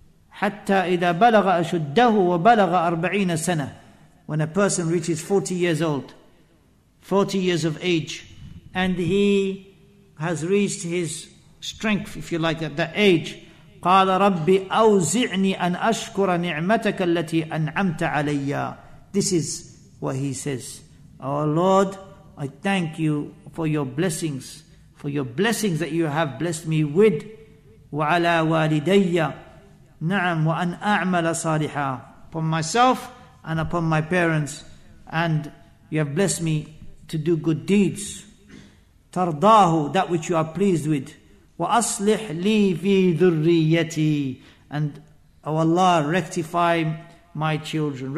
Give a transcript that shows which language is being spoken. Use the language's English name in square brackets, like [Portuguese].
[Arabic] حتى إذا بلغ أشده وبلغ 40 سنة. [English] When a person reaches 40 years old, 40 years of age, and he has reached his strength, if you like, at that age. [Arabic] قال ربي أوزعني أن أشكر نعمتك التي أنعمت علي. [English] This is what he says. Oh Lord, I thank you for your blessings that you have blessed me with. [Arabic] وعلى والدي نعم وأن أعمل صالحا. [English] Upon myself and upon my parents, and you have blessed me to do good deeds. تَرْضَاهُ, that which you are pleased with. [Arabic] وَأَصْلِحْ لِي فِي ذُرِّيَّتِي. [English] And, oh Allah, rectify my children.